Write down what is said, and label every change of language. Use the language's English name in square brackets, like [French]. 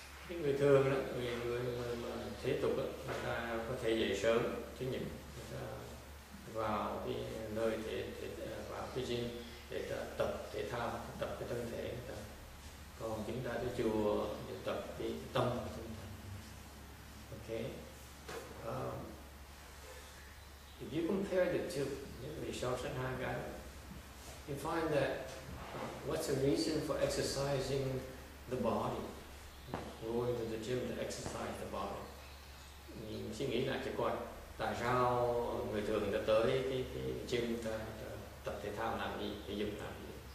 [Vietnamese] Người thường đó, người mà thế tục đó, người ta có thể dậy sớm, chứ nhỉ? Người ta vào cái nơi thể vào cái gym để tập thể thao, tập cái thân thể. Còn chúng ta đi chùa để tập cái tâm. [English] Okay. If you compare the two, [Vietnamese] nếu mình so sánh hai cái, [English] you find that what's the reason for exercising the body, going to the gym to exercise the body? [Vietnamese] Mình suy nghĩ lại cho coi, tại sao người thường đã tới cái gym ta tập thể thao làm gì, thể dục làm gì?